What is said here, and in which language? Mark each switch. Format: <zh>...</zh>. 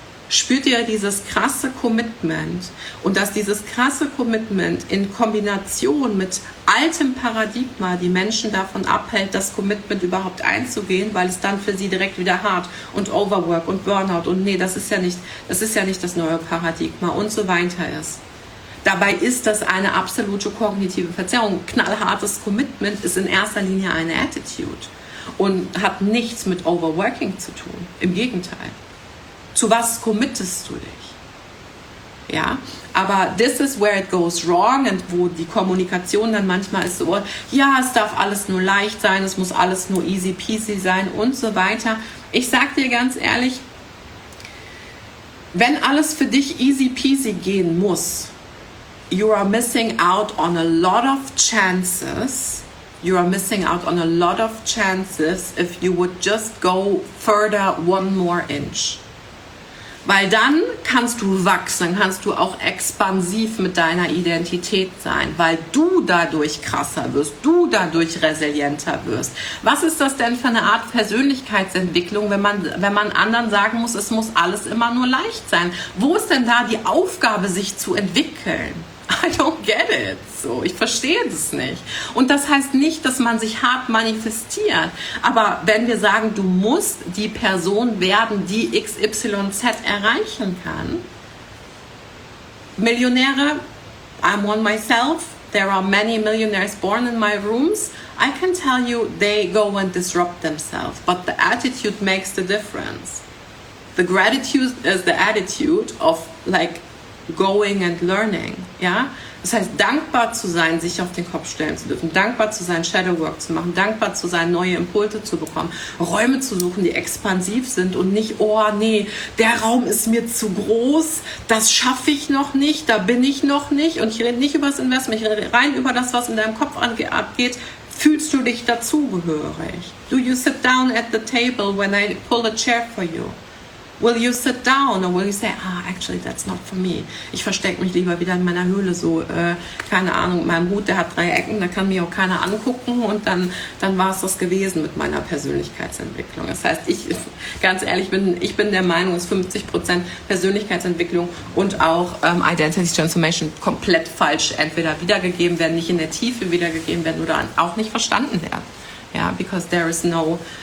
<de>Spürt ihr dieses krasse Commitment und dass dieses krasse Commitment in Kombination mit altem Paradigma die Menschen davon abhält, das Commitment überhaupt einzugehen, weil es dann für sie direkt wieder hart und Overwork und Burnout und nee, das ist ja nicht das neue Paradigma und so weiter ist. Dabei ist das eine absolute kognitive Verzerrung. Knallhartes Commitment ist in erster Linie eine Attitude und hat nichts mit Overworking zu tun. Im Gegenteil. Zu was committest du dich? Ja, aber</de> <en>this is where it goes wrong</en> <de>und wo die Kommunikation dann manchmal ist so, ja, es darf alles nur leicht sein, es muss alles nur easy peasy sein und so weiter. Ich sag dir ganz ehrlich, wenn alles für dich easy peasy gehen muss,</de> <en>you are missing out on a lot of chances if you would just go further one more inch.</en> <de>Weil dann kannst du wachsen, kannst du auch expansiv mit deiner Identität sein, weil du dadurch krasser wirst, du dadurch resilienter wirst. Was ist das denn für eine Art Persönlichkeitsentwicklung, wenn man anderen sagen muss, es muss alles immer nur leicht sein? Wo ist denn da die Aufgabe, sich zu entwickeln?</de> <en>I don't get it.</en> <de>So, ich verstehe das nicht. Und das heißt nicht, dass man sich hart manifestiert. Aber wenn wir sagen, du musst die Person werden, die XYZ erreichen kann.</de> <en>Millionäre, I'm one myself. There are many millionaires born in my rooms. I can tell you, they go and disrupt themselves. But the attitude makes the difference. The gratitude is the attitude of like, going and learning, ja.</en> <de>Das heißt, dankbar zu sein, sich auf den Kopf stellen zu dürfen, dankbar zu sein, Shadowwork zu machen, dankbar zu sein, neue Impulse zu bekommen, Räume zu suchen, die expansiv sind und nicht, oh nee, der Raum ist mir zu groß, das schaffe ich noch nicht, da bin ich noch nicht und ich rede nicht über das Investment, ich rede rein über das, was in deinem Kopf abgeht. Fühlst du dich dazugehörig?</de> <en>Do you sit down at the table when I pull a chair for you? Will you sit down or will you say, ah, actually, that's not for me.</en> <de>Ich verstecke mich lieber wieder in meiner Höhle, so, keine Ahnung, mein Hut, der hat drei Ecken, da kann mich auch keiner angucken und dann war es das gewesen mit meiner Persönlichkeitsentwicklung. Das heißt, ich, ganz ehrlich, ich bin der Meinung, dass 50% Persönlichkeitsentwicklung und auch Identity Transformation komplett falsch entweder wiedergegeben werden, nicht in der Tiefe wiedergegeben werden oder auch nicht verstanden werden. Ja,</de> <en>because there is no...</en>